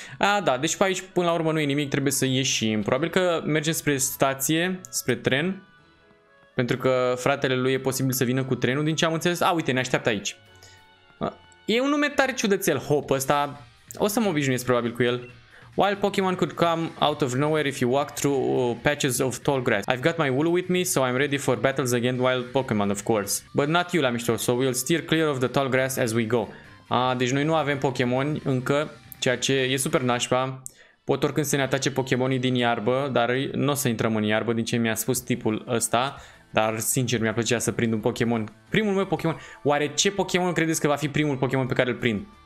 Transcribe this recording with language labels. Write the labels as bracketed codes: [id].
[ro] A, da, deci pe aici până la urmă nu e nimic, trebuie să ieșim. Probabil că mergem spre stație, spre tren. Pentru că fratele lui e posibil să vină cu trenul, din ce am înțeles. A, uite, ne așteaptă aici. E un nume tare ciudățel, Hop ăsta. O să mă obișnuiesc probabil cu el. [en] Wild Pokemon could come out of nowhere if you walk through patches of tall grass. I've got my Wooloo with me, so I'm ready for battles against wild Pokemon, of course. But not you, la mișto, so we'll steer clear of the tall grass as we go. [ro] Deci noi nu avem Pokémon încă, ceea ce e super nașpa. Pot oricând să ne atace Pokémonii din iarbă, dar nu o să intrăm în iarbă, din ce mi-a spus tipul ăsta. Dar sincer, mi-a plăcea să prind un Pokémon. Primul meu Pokémon. Oare ce Pokémon credeți că va fi primul Pokémon pe care îl prind?